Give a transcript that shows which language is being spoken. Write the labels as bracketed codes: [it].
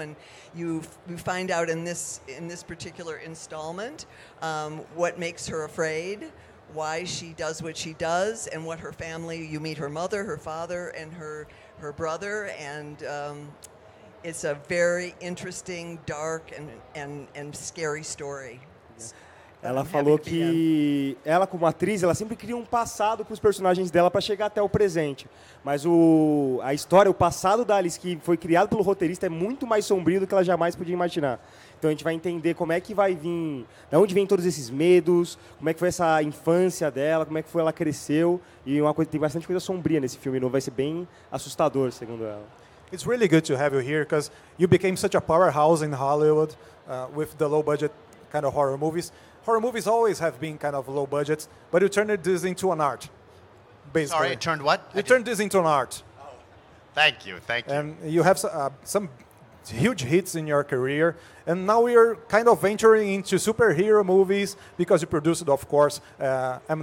[en] And you find out in this particular installment what makes her afraid, why she does what she does, and what her family, you meet her mother, her father, and her brother, and... it's a very interesting, dark and scary story. [pt] Ela falou que ela, como atriz, ela sempre cria um passado para os personagens dela para chegar até o presente. Mas a história, o passado da Alice, que foi criado pelo roteirista, é muito mais sombrio do que ela jamais podia imaginar. Então a gente vai entender como é que vai vir, de onde vem todos esses medos, como é que foi essa infância dela, como é que foi ela cresceu. E tem bastante coisa sombria nesse filme novo, vai ser bem assustador, segundo ela. [en] It's really good to have you here because you became such a powerhouse in Hollywood with the low-budget kind of horror movies. Horror movies always have been kind of low budget, but you turned this into an art, basically. Sorry, it turned what? You turned this into an art. Oh. Thank you. And you have some huge hits in your career, and now you're kind of venturing into superhero movies because you produced, of course, M.